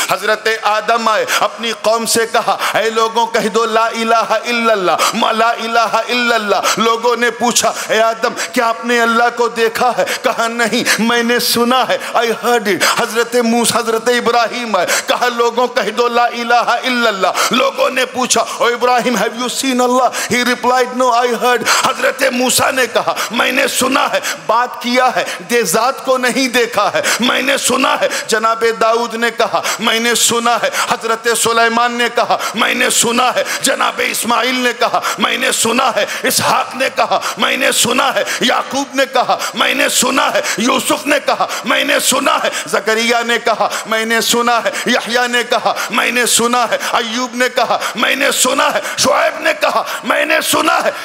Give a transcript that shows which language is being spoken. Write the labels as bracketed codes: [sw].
[ur] حضرت آدم آئے اپنی قوم سے کہا اے لوگوں کہہ دو [ar] لا الہ الا اللہ, [ur] ما لا الہ الا اللہ. لوگوں نے پوچھا اے آدم کیا آپ نے اللہ کو دیکھا ہے؟ کہا نہیں میں نے سنا ہے, [en] I heard it. [ur] حضرت موسیٰ حضرت ابراہیم آئے کہا لوگوں کہہ دو لا الہ الا اللہ. لوگوں نے پوچھا او ابراہیم [en] have you seen Allah, he replied no I heard. [ur] حضرت موسیٰ نے کہا میں نے سنا ہے, بات کیا ہے, دے ذات کو نہیں دیکھا ہے, میں نے سنا ہے. جناب داؤد نے کہا میں نے سنا ہے, حضرت سلیمان نے کہا میں نے سنا ہے, جناب اسماعیل نے کہا میں نے سنا ہے, اسحاق نے کہا میں نے سنا ہے, یعقوب نے کہا میں نے سنا ہے, یوسف نے کہا میں نے سنا ہے, زکریہ نے کہا میں نے سنا ہے, یحییٰ نے کہا میں نے سنا ہے, ایوب نے کہا میں نے سنا ہے, شعیب نے کہا میں نے سنا ہے.